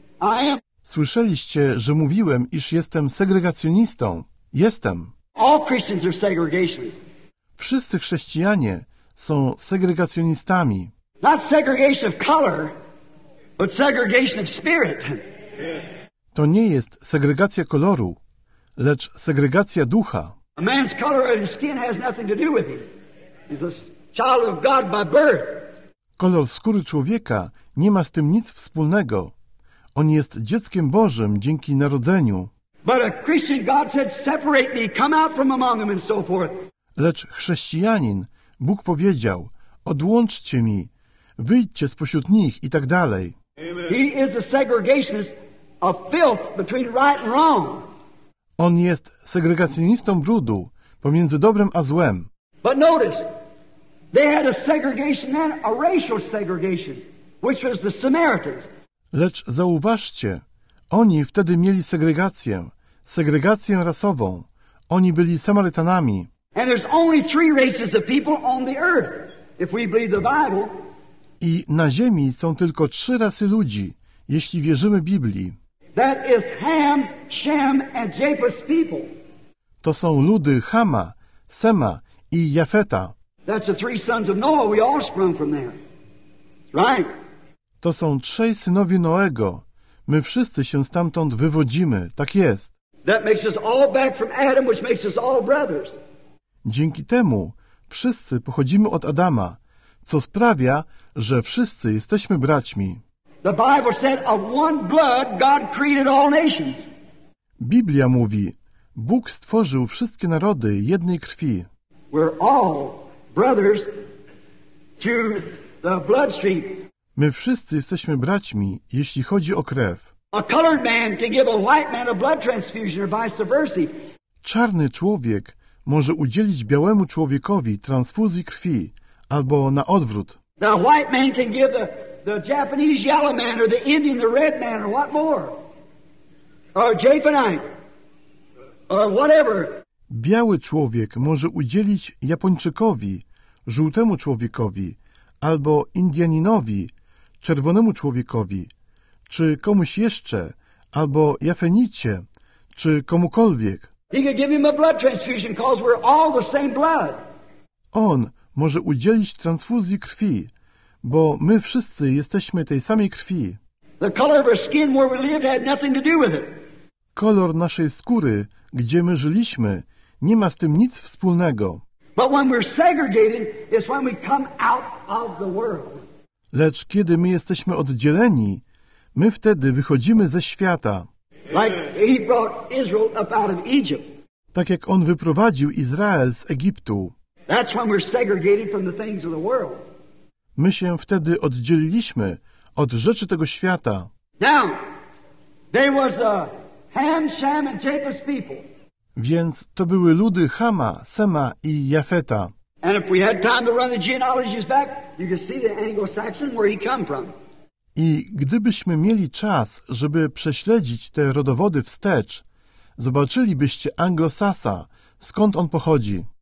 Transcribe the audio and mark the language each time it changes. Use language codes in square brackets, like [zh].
[en] I am. [pl] Słyszeliście, że mówiłem, iż jestem segregacjonistą. Jestem. [en] All Christians are segregationists. [pl] Wszyscy chrześcijanie są segregacjonistami. [en] Not segregation of color, but segregation of spirit. [pl] To nie jest segregacja koloru, lecz segregacja ducha. [en] A man's color of his skin has nothing to do with him. He's a child of God by birth. [pl] Kolor skóry człowieka nie ma z tym nic wspólnego. On jest dzieckiem Bożym dzięki narodzeniu. [en] But a Christian God said, "Separate thee, come out from among them," and so forth. [pl] Lecz chrześcijanin, Bóg powiedział, odłączcie mi, wyjdźcie spośród nich i tak dalej. [en] He is a segregationist of filth between right and wrong. [pl] On jest segregacjonistą brudu pomiędzy dobrem a złem. [en] But notice, they had a segregation then, a racial segregation, which was the Samaritans. [pl] Lecz zauważcie, oni wtedy mieli segregację, segregację rasową. Oni byli Samarytanami. [en] And there's only three races of people on the earth, if we believe the Bible. [pl] I na ziemi są tylko trzy rasy ludzi, jeśli wierzymy Biblii. [en] That is Ham, Shem and Japheth's people. [pl] To są ludy Hama, Sema i Jafeta. [en] That's the three sons of Noah. We all sprung from there. Right? [pl] To są trzej synowie Noego. My wszyscy się stamtąd wywodzimy. Tak jest. [en] That makes us all back from Adam, which makes us all brothers. [pl] Dzięki temu wszyscy pochodzimy od Adama, co sprawia, że wszyscy jesteśmy braćmi. [en] The Bible said, of one blood God created all nations. [pl] Biblia mówi, Bóg stworzył wszystkie narody jednej krwi. [en] We're all brothers through the bloodstream. [pl] My wszyscy jesteśmy braćmi, jeśli chodzi o krew. [en] A colored man can give a white man a blood transfusion or vice versa. [pl] Czarny człowiek może udzielić białemu człowiekowi transfuzji krwi, albo na odwrót. [en] The white man can give the Japanese yellow man or the Indian the red man or what more? Or Japhethite? Or whatever. [pl] Biały człowiek może udzielić Japończykowi, żółtemu człowiekowi, albo Indianinowi, czerwonemu człowiekowi, czy komuś jeszcze, albo Jafenicie, czy komukolwiek. [en] He can give him a blood transfusion because we're all the same blood. [pl] On może udzielić transfuzji krwi, bo my wszyscy jesteśmy tej samej krwi. [en] The color of our skin where we lived had nothing to do with it. [pl] Kolor naszej skóry, gdzie my żyliśmy, nie ma z tym nic wspólnego. [en] But when we're segregated, it's when we come out of the world. [pl] Lecz kiedy my jesteśmy oddzieleni, my wtedy wychodzimy ze świata. [en] Like he brought Israel up out of Egypt. [pl] Tak jak on wyprowadził Izrael z Egiptu. [en] That's when we're segregated from the things of the world. [pl] My się wtedy oddzieliliśmy od rzeczy tego świata. [en] Now, there was a Ham, Shem and Japheth's people. [pl] Więc to były ludy Hama, Sema i Jafeta. [en] And if we had time to run the genealogies back, you could see the Anglo-Saxon where he come from. [pl] I gdybyśmy mieli czas, żeby prześledzić te rodowody wstecz, zobaczylibyście Anglosasa, skąd on pochodzi.